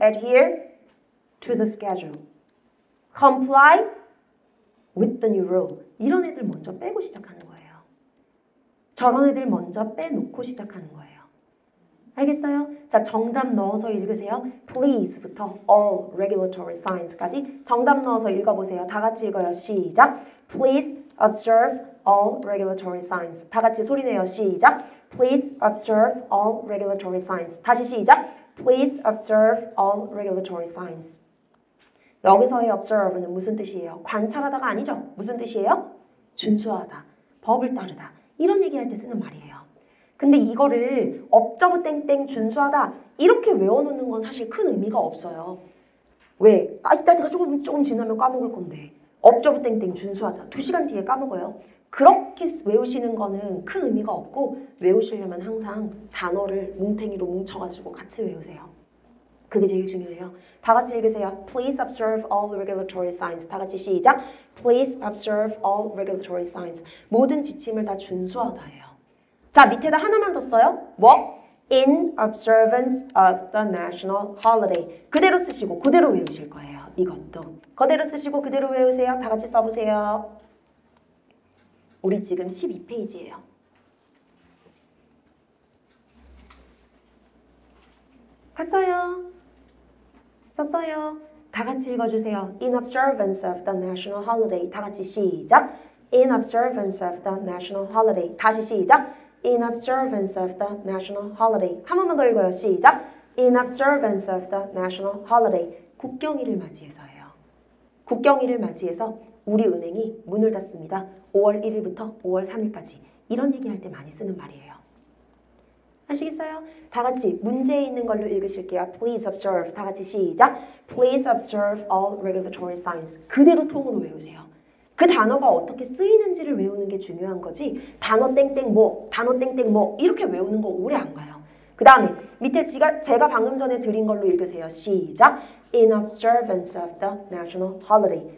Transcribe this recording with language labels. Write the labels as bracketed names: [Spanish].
[English] Adhere to the schedule. Comply. With the new rule. [Korean] 이런 애들 먼저 빼고 시작하는 거예요. 저런 애들 먼저 빼놓고 시작하는 거예요. 알겠어요? 자, 정답 넣어서 읽으세요. Please부터 [English] all regulatory signs [Korean] 까지 정답 넣어서 읽어보세요. 다 같이 읽어요. 시작! [English] Please observe all regulatory signs. [Korean] 다 같이 소리내요. 시작! [English] Please observe all regulatory signs. [Korean] 다시 시작! [English] Please observe all regulatory signs. [Korean] 여기서의 observe는 무슨 뜻이에요? 관찰하다가 아니죠? 무슨 뜻이에요? 준수하다, 법을 따르다 이런 얘기할 때 쓰는 말이에요. 근데 이거를 observe 땡땡 준수하다 이렇게 외워놓는 건 사실 큰 의미가 없어요. 왜? 이따가 조금 지나면 까먹을 건데 observe 땡땡 준수하다 2시간 뒤에 까먹어요. 그렇게 외우시는 거는 큰 의미가 없고 외우시려면 항상 단어를 뭉탱이로 뭉쳐가지고 같이 외우세요. 그게 제일 중요해요. 다 같이 읽으세요. [English] Please observe all regulatory signs. [Korean] 다 같이 시작. [English] Please observe all regulatory signs. [Korean] 모든 지침을 다 준수하다예요. 자, 밑에다 하나만 더 써요. [English] What? In observance of the national holiday. [Korean] 그대로 쓰시고 그대로 외우실 거예요. 이것도. 그대로 쓰시고 그대로 외우세요. 다 같이 써보세요. 우리 지금 12페이지예요. 갔어요. 썼어요. 다 같이 읽어주세요. [English] In observance of the national holiday. [Korean] 다 같이 시작. [English] In observance of the national holiday. [Korean] 다시 시작. [English] In observance of the national holiday. [Korean] 한 번만 더 읽어요. 시작. [English] In observance of the national holiday. [Korean] 국경일을 맞이해서예요. 국경일을 맞이해서 우리 은행이 문을 닫습니다. 5월 1일부터 5월 3일까지. 이런 얘기할 때 많이 쓰는 말이에요. 아시겠어요? 다 같이 문제에 있는 걸로 읽으실게요. [English] Please observe. [Korean] 다 같이 시작. [English] Please observe all regulatory signs. [Korean] 그대로 통으로 외우세요. 그 단어가 어떻게 쓰이는지를 외우는 게 중요한 거지. 단어 땡땡 뭐, 단어 땡땡 뭐 이렇게 외우는 거 오래 안 가요. 그 다음에 밑에 제가 방금 전에 드린 걸로 읽으세요. 시작. [English] In observance of the national holiday.